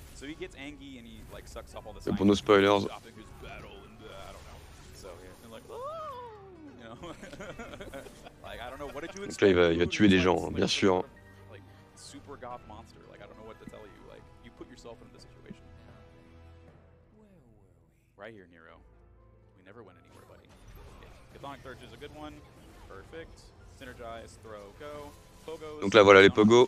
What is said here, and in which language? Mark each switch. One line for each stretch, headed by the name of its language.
English: So he gets angry and he like sucks up all the.
French: Et pour nos spoilers. Donc là, il va tuer des gens, bien sûr.
English: Super goth monster, like I don't know what to tell you, like you put yourself in this situation. Where were we? Right here, Nero. We never went anywhere, buddy. Gathonic Thurge is a good one. Perfect. Synergize, throw, go. Pogo is.
French: Donc là voilà les pogo.